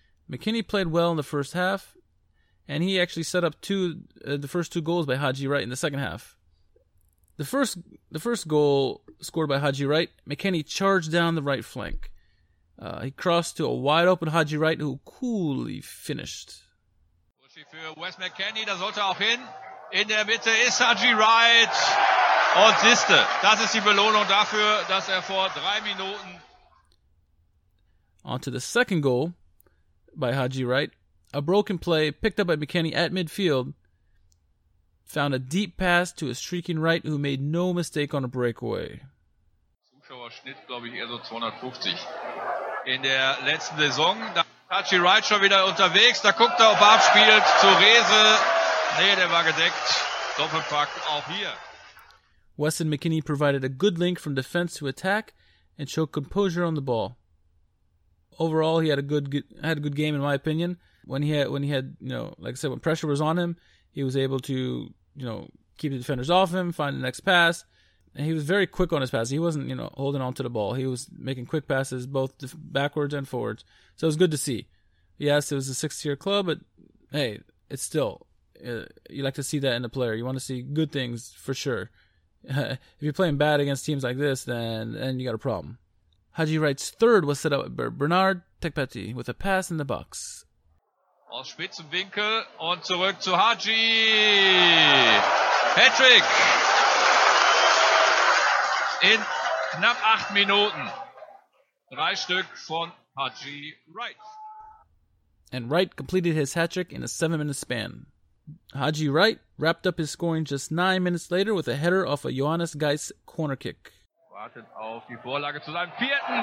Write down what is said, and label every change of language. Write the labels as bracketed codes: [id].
[en] McKennie played well in the first half, and he actually set up the first two goals by Haji Wright in the second half. The first goal scored by Haji Wright, McKennie charged down the right flank. He crossed to a wide open Haji Wright, who coolly finished. [de] Für Wes McKennie, da sollte auch hin. In der Mitte ist Haji Wright. Und siehste, das ist die Belohnung dafür, dass er vor 3 Minuten. [en] On to the second goal by Haji Wright. A broken play picked up by McKennie at midfield found a deep pass to a streaking right who made no mistake on a breakaway. [de] Zuschauerschnitt, glaube ich, eher so 250. In der letzten Saison, da Haji Wright schon wieder unterwegs, da guckt er, ob er abspielt zu Rehse. Nee, der war gedeckt. Doppelpack auch hier. [en] Weston McKennie provided a good link from defense to attack and showed composure on the ball. Overall, he had a good game in my opinion. When he had, you know, like I said, when pressure was on him, he was able to, you know, keep the defenders off him, find the next pass, and he was very quick on his pass. He wasn't, you know, holding on to the ball. He was making quick passes both backwards and forwards. So it was good to see. Yes, it was a six-year club, but hey, it's still you like to see that in a player. You want to see good things for sure. If you're playing bad against teams like this, then you got a problem. Haji Wright's third was set up by Bernard Tekpeti with a pass in the box. [de] Aus spitzem Winkel und zurück zu Haji. Hattrick. In knapp 8 Minuten. 3 Stück von Haji Wright. [en] And Wright completed his hat-trick in a 7-minute span. Haji Wright wrapped up his scoring just 9 minutes later with a header off a Johannes Geis corner kick. [de] Wartet auf die Vorlage zu seinem vierten.